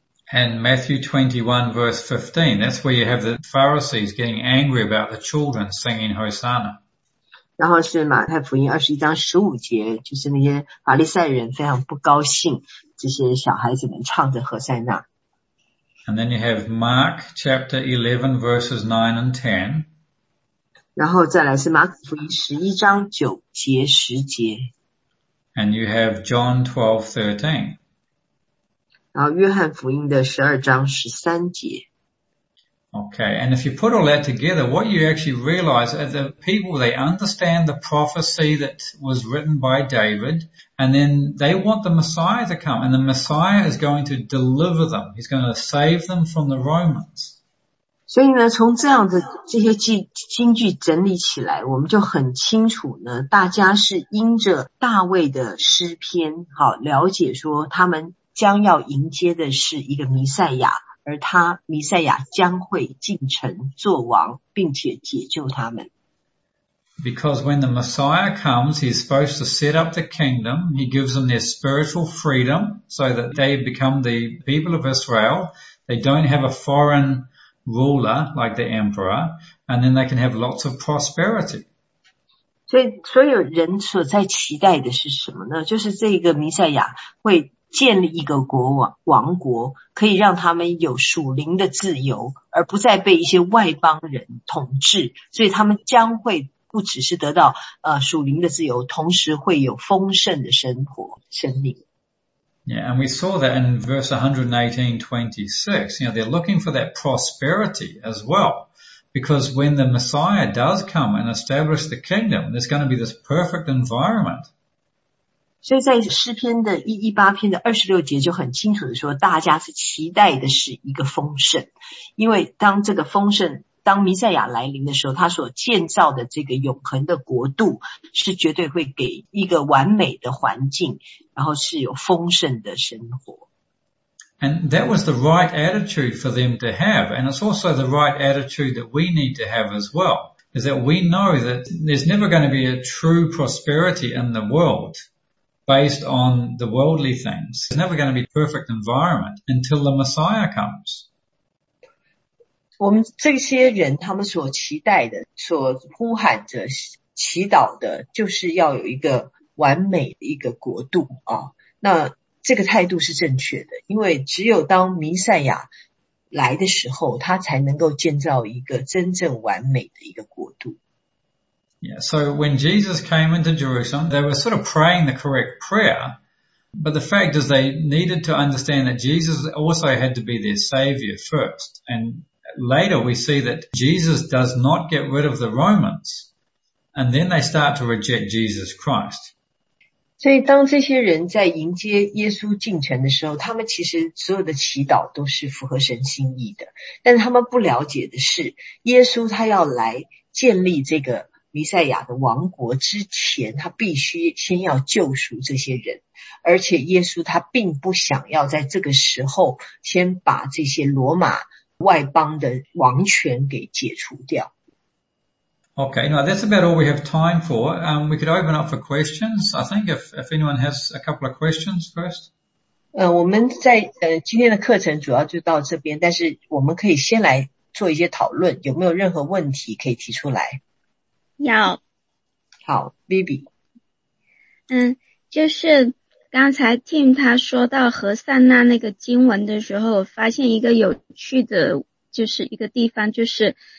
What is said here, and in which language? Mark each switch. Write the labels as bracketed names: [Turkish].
[English] And Matthew 21 verse 15, that's where you have the Pharisees getting angry about the children singing Hosanna. [Chinese] 然后是马太福音21章15节，就是那些法利赛人非常不高兴，这些小孩子们唱着何塞纳。 [English] And then you have Mark chapter 11 verses 9 and 10. [Chinese] 然后再来是马可福音11章9节10节。 [English] And you have John 12, 13. [Chinese] 然后约翰福音的12章13节。 [English] Okay, and if you put all that together, what you actually realize is that people, they understand the prophecy that was written by David, and then they want the Messiah to come, and the Messiah is going to deliver them. He's going to save them from the Romans. [Chinese] 所以呢，从这样的这些经句整理起来，我们就很清楚呢，大家是因着大卫的诗篇，好，了解说他们将要迎接的是一个弥赛亚。而他弥赛亚将会进城做王，并且解救他们。 [English] Because when the Messiah comes, he's supposed to set up the kingdom. He gives them their spiritual freedom so that they become the people of Israel. They don't have a foreign ruler like the emperor, and then they can have lots of prosperity. [Chinese] 所以所有人所在期待的是什么呢？就是这个弥赛亚会。建立一个国王王国，可以让他们有属灵的自由，而不再被一些外邦人统治。所以他们将会不只是得到属灵的自由，同时会有丰盛的生活生命。 [English] Yeah, and we saw that in verse 118:26. You know, they're looking for that prosperity as well, because when the Messiah does come and establish the kingdom, there's going to be this perfect environment. [Chinese] 所以在诗篇的118篇的26节就很清楚的说，大家是期待的是一个丰盛，因为当这个丰盛，当弥赛亚来临的时候，他所建造的这个永恒的国度是绝对会给一个完美的环境，然后是有丰盛的生活。 [English] And that was the right attitude for them to have. And it's also the right attitude that we need to have as well. Is that we know that there's never going to be a true prosperity in the world based on the worldly things. There's never going to be a perfect environment until the Messiah comes. [Chinese] 我们这些人他们所期待的、所呼喊着、祈祷的就是要有一个完美的一个国度啊。那这个态度是正确的，因为只有当弥赛亚来的时候，他才能够建造一个真正完美的一个国度。 [English] Yeah, so when Jesus came into Jerusalem, they were sort of praying the correct prayer, but the fact is they needed to understand that Jesus also had to be their savior first. And later we see that Jesus does not get rid of the Romans, and then they start to reject Jesus Christ. [Chinese] 所以当这些人在迎接耶稣进城的时候，他们其实所有的祈祷都是符合神心意的，但是他们不了解的是，耶稣他要来建立这个弥赛亚的王国之前，他必须先要救赎这些人，而且耶稣他并不想要在这个时候先把这些罗马外邦的王权给解除掉。 [English] Okay, now that's about all we have time for. We could open up for questions. I think if anyone has a couple of questions first. [Chinese] 我们在今天的课程主要就到这边，但是我们可以先来做一些讨论，有没有任何问题可以提出来？有。好 ，Vivi。就是刚才 Tim 他说到何塞纳那个经文的时候，发现一个有趣的，就是一个地方，就是。